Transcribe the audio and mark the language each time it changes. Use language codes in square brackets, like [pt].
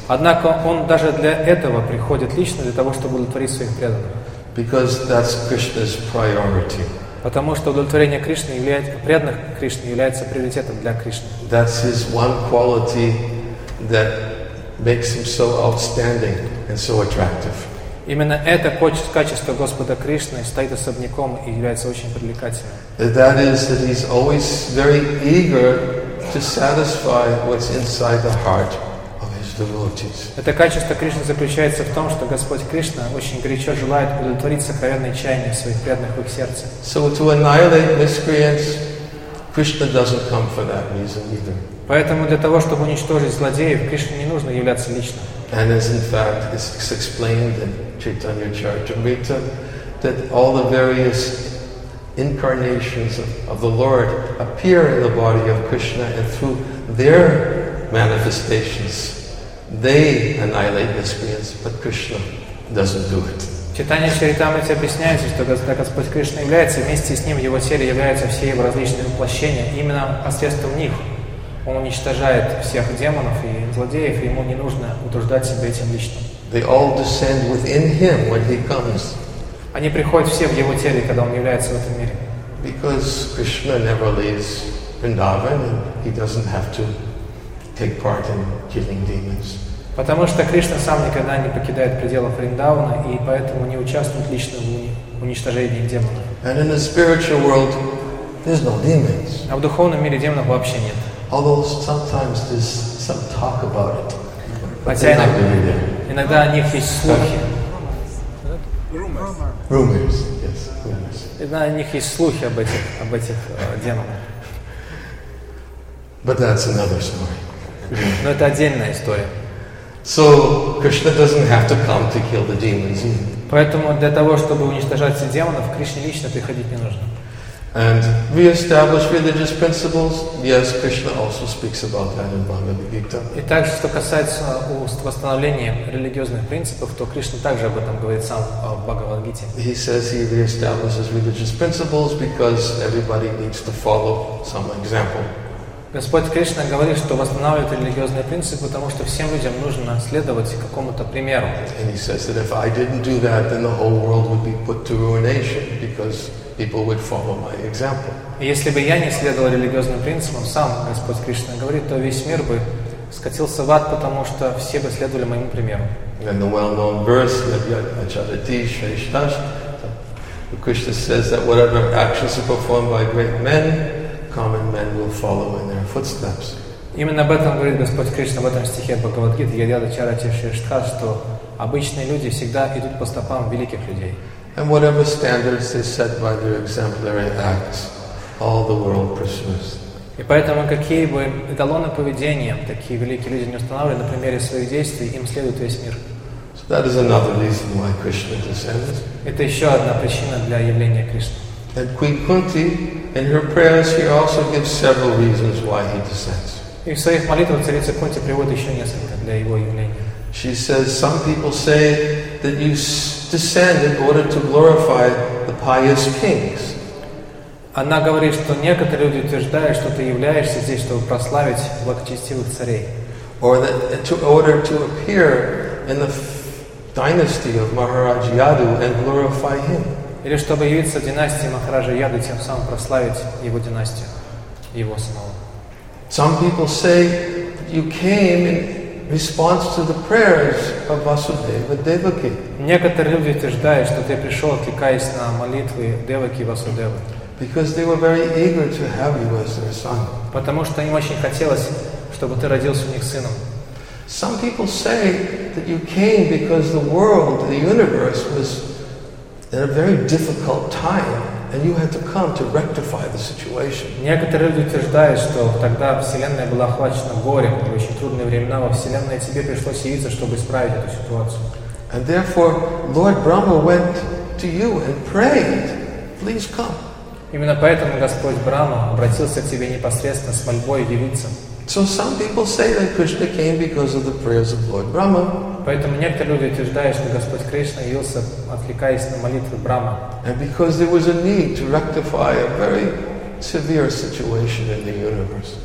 [ru] Однако он даже для этого приходит лично для того, чтобы удовлетворить своих преданных. [en] Because that's Krishna's priority. [ru] Потому что удовлетворение Кришны является преданных Кришны является приоритетом для Кришны. [en] That's his one quality that makes him so outstanding and so attractive. [ru] Именно это качество Господа Кришны стоит особняком и является очень привлекательным. [en] That is that he's always very eager to satisfy what's inside the heart of his devotees. [ru] Это качество Кришны заключается в том, что Господь Кришна очень горячо желает удовлетворить сокровенные чаяния своих преданных в их сердце. [en] So to annihilate miscreants, Krishna doesn't come for that reason either. [ru] Поэтому для того, чтобы уничтожить злодеев, Кришне не нужно являться лично. [en] And as in fact is explained in Chaitanya Charitamrita, that all the various incarnations of the Lord appear in the body of Krishna, and through their manifestations, they annihilate miscreants, but Krishna doesn't do it. [ru] Читание Чаритамриты объясняет, что когда Господь Кришна является, вместе с Ним в Его теле являются все Его различные воплощения, именно посредством них. Он уничтожает всех демонов и злодеев, и ему не нужно утруждать себя этим лично. [en] They all descend within him when he comes. [ru] Они приходят все в его теле, когда он является в этом мире. [en] Because Krishna never leaves Vrindavan, and he doesn't have to take part in killing demons. [ru] Потому что Кришна сам никогда не покидает пределов Вриндавана, и поэтому не участвует лично в уничтожении демонов. [en] And in the spiritual world, there's no demons. [ru] А в духовном мире демонов вообще нет. [en] Although sometimes there's some talk about it, but [ru] иногда о них есть слухи. [en] Rumors, yes, rumors. [ru] Иногда о них есть слухи об этих демонах. [en] But that's another story. [ru] Но это отдельная история. [en] So Krishna doesn't have to come to kill the demons. [ru] Поэтому для того, чтобы уничтожать демонов, Кришне лично приходить не нужно. [en] And re-establish religious principles. Yes, Krishna also speaks about that in Bhagavad Gita. [ru] И также, что касается восстановления религиозных принципов, то Кришна также об этом говорит сам в Бхагавад Гите. [en] He says he re-establishes religious principles because everybody needs to follow some example. [ru] Господь Кришна говорит, что восстанавливает религиозные принципы, потому что всем людям нужно следовать какому-то примеру. [en] And he says that if I didn't do that, then the whole world would be put to ruination because people would follow my example. [ru] Если бы я не следовал религиозным принципам, сам Господь Кришна говорит, то весь мир бы скатился в ад, потому что все бы следовали моему примеру. [en] And the well-known verse, [sa] Yajnacharati Shreshtasht, [en] Krishna says that whatever actions are performed by great men, common men will follow in their footsteps. [ru] Именно об этом говорит Господь Кришна в этом стихе Бхагавад-гиты, [sa] Yajnacharati Shreshtasht, [ru] что обычные люди всегда идут по стопам великих людей. [en] And whatever standards they set by their exemplary acts, all the world pursues. [ru] И поэтому какие бы эталоны поведения такие великие люди не устанавливали на примере своих действий, им следует весь мир. [en] So that is another reason why Krishna descends. [ru] Это еще одна причина для явления Кришны. [en] And Queen Kunti, in her prayers, she also gives several reasons why he descends. [ru] И в своих молитвах царица Кунти приводит еще несколько для его явления. [en] She says, some people say that you descend in order to glorify the pious kings. [ru] Она говорит, что некоторые люди утверждают, что ты являешься здесь, чтобы прославить благочестивых царей. [en] Or that to order to appear in the dynasty of Maharaj Yadu and glorify him. [ru] Или чтобы явиться в династии Махараджа Яду, тем самым прославить его династию, его самого. [en] Some people say you came in response to the prayers of Vasudeva Devaki. [ru] Некоторые люди утверждают, что ты пришел, откликаясь на молитвы Деваки Васудевы. [en] Because they were very eager to have you as their son. [ru] Потому что им очень хотелось, чтобы ты родился у них сыном. [en] Some people say that you came because the world, the universe, was in a very difficult time, and you had to come to rectify the situation. [ru] Некоторые люди утверждают, что тогда вселенная была охвачена горем, и очень трудные времена во вселенной, тебе пришлось явиться, чтобы исправить эту ситуацию. [en] And therefore, Lord Brahma went to you and prayed. Please come. [ru] Именно поэтому Господь Брама обратился к тебе непосредственно с мольбой явиться. [en] So some people say that Krishna came because of the prayers of Lord Brahma. [ru] Поэтому некоторые люди утверждают, что Господь Кришна явился, откликаясь на молитвы Брама. [en] And because there was a need to rectify a very severe situation in the universe.